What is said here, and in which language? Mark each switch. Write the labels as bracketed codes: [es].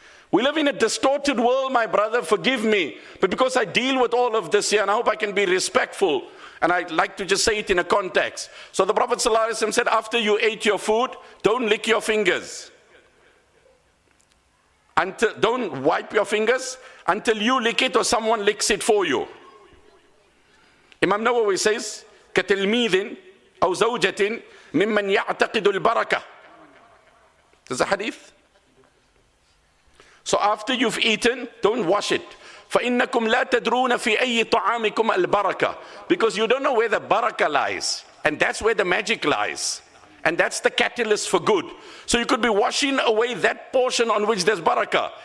[en] We live in a distorted world, my brother, forgive me. But because I deal with all of this here, and I hope I can be respectful, and I'd like to just say it in a context. So the Prophet ﷺ said, after you ate your food, don't lick your fingers. Don't wipe your fingers until you lick it or someone licks it for you. [ar] Imam Nawawi says, كَتِلْمِيذٍ أَوْ زَوْجَةٍ مِمَّنْ يَعْتَقِدُ الْبَرَكَةِ. [en] This is a hadith. So after you've eaten, don't wash it. [ar] فَإِنَّكُمْ لَا تَدْرُونَ فِي أَيِّ طَعَامِكُمْ الْبَرَكَةِ. [en] Because you don't know where the barakah lies. And that's where the magic lies. And that's the catalyst for good. So you could be washing away that portion on which there's barakah.